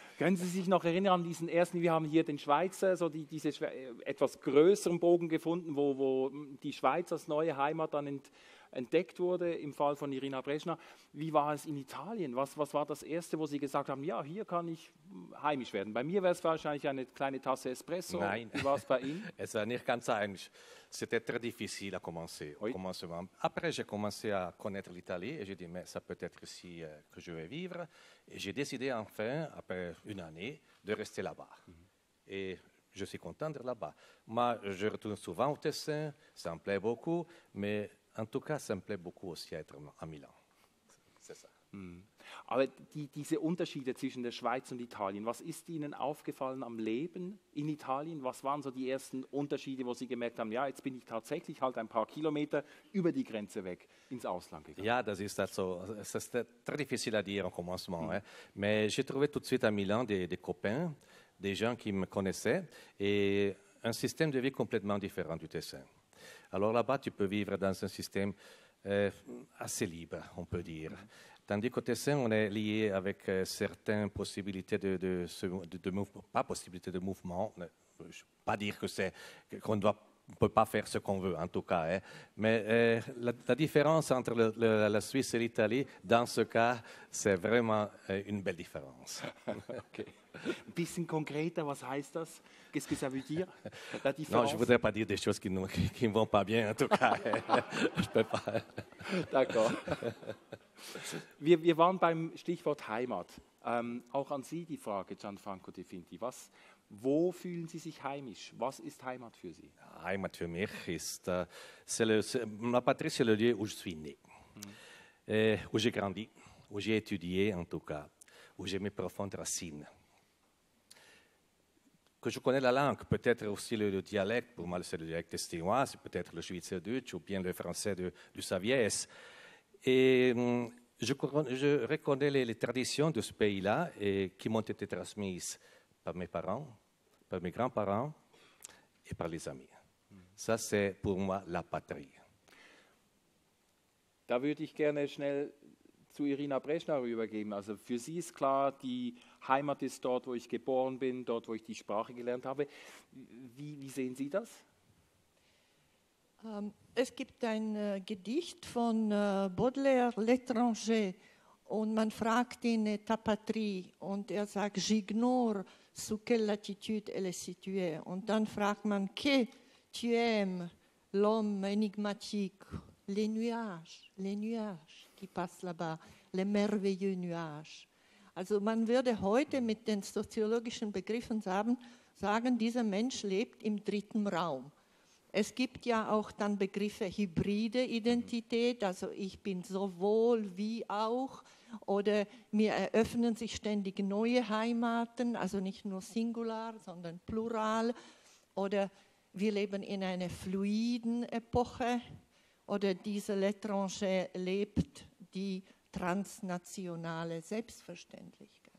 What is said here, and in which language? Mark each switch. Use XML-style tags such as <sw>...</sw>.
<de>Können Sie sich noch erinnern an diesen ersten, wir haben hier den Schweizer, so diese etwas größeren Bogen gefunden, wo die Schweiz als neue Heimat dann entdeckt wurde im Fall von Irina Breschner. Wie war es in Italien? Was war das Erste, wo Sie gesagt haben, ja, hier kann ich heimisch werden? Bei mir wäre es wahrscheinlich eine kleine Tasse Espresso. Nein. Wie war es bei Ihnen? Es war nicht ganz heimisch.</de> <fr>C'était très difficile à commencer. Oui. Après, j'ai commencé à connaître l'Italie et j'ai dit, mais ça peut être ici que je vais vivre. Et j'ai décidé enfin, après une année, de rester là-bas. Mm-hmm. Et je suis content d'être là-bas. Moi, je retourne souvent au Tessin, ça me plaît beaucoup, mais en tout cas, ça me plaît beaucoup aussi être à Milan. C'est ça. Mm.</fr> <de>Aber diese Unterschiede zwischen der Schweiz und Italien, was ist Ihnen aufgefallen am Leben in Italien? Was waren so die ersten Unterschiede, wo Sie gemerkt haben, ja, jetzt bin ich tatsächlich halt ein paar Kilometer über die Grenze weg ins Ausland gegangen? Ja, das ist also, es ist</de> <fr>très difficile à dire au commencement. Hein. Mais j'ai trouvé tout de suite à Milan des copains, des gens qui me connaissaient. Et un système de vie complètement différent du Tessin. Alors là-bas, tu peux vivre dans un système assez libre, on peut dire. Tandis qu'au Tessin, on est lié avec certaines possibilités de mouvement, pas possibilités de mouvement, je ne veux pas dire que c'est, qu'on doit, on peut pas faire ce qu'on veut, en tout cas. Hein. Mais la différence entre la Suisse et l'Italie, dans ce cas, c'est vraiment une belle différence.</fr> <de>Okay. Un bisschen konkreter, was heißt das?</de> <fr>Qu'est-ce que ça veut dire, la différence? Non, je ne voudrais pas dire des choses qui ne vont pas bien, en tout cas. Je ne peux pas.</fr> <de>D'accord. Wir waren beim Stichwort Heimat. Auch an Sie die Frage, Gianfranco De Finti. Wo fühlen Sie sich heimisch? Was ist Heimat für Sie? Heimat für mich ist,</de> <fr>ma patrie, c'est le lieu où je suis né. Où j'ai grandi, où j'ai étudié, en tout cas, où j'ai mes profondes racines. Que je connais la langue, peut-être aussi le dialecte, pour moi c'est le dialecte estinois, c'est peut-être le schweizerdeutsch ou bien le français du Savièse. Et je reconnais les traditions de ce pays-là et qui m'ont été transmises par mes parents, par mes grands-parents et par les amis. Ça, c'est pour moi la patrie.</fr> <de>Da würde ich gerne schnell zu Irina Breschner rübergeben. Also für Sie ist klar, die Heimat ist dort, wo ich geboren bin, dort, wo ich die Sprache gelernt habe. Wie sehen Sie das? Es gibt ein Gedicht von Baudelaire, L'étranger, und man fragt ihn,</de> <fr>ta patrie,</fr> <de>und er sagt,</de> <fr>j'ignore, sous quelle latitude elle est située.</fr> <de>Und dann fragt man, que tu aimes, l'homme énigmatique, les nuages qui passent là-bas, les merveilleux nuages. Also man würde heute mit den soziologischen Begriffen sagen, dieser Mensch lebt im dritten Raum. Es gibt ja auch dann Begriffe hybride Identität, also ich bin sowohl wie auch, oder mir eröffnen sich ständig neue Heimaten, also nicht nur Singular, sondern Plural, oder wir leben in einer fluiden Epoche, oder dieser L'étranger lebt die transnationale Selbstverständlichkeit.</de>